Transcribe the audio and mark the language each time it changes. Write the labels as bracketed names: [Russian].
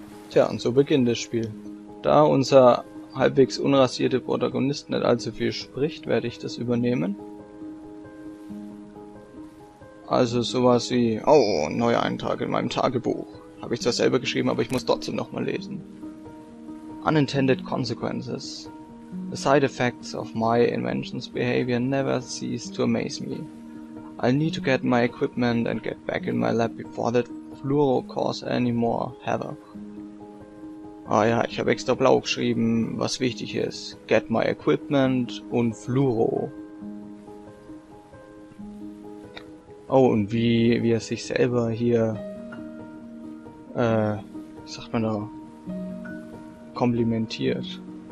[German] Tja, und so beginnt das Spiel. Da unser halbwegs unrasierter Protagonist nicht allzu viel spricht, werde ich das übernehmen. Also sowas wie, oh, neuer Eintrag in meinem Tagebuch. Habe ich zwar selber geschrieben, aber ich muss trotzdem nochmal lesen. [English] Unintended consequences. The side effects of my invention's behavior never cease to amaze me. I'll need to get my equipment and get back in my lab before that fluoro cause any more havoc. [German] Ah ja, ich habe extra blau geschrieben, was wichtig ist. [English] Get my equipment [German] und Fluoro. Oh, und wie er sich selber hier, wie sagt man da, komplimentiert.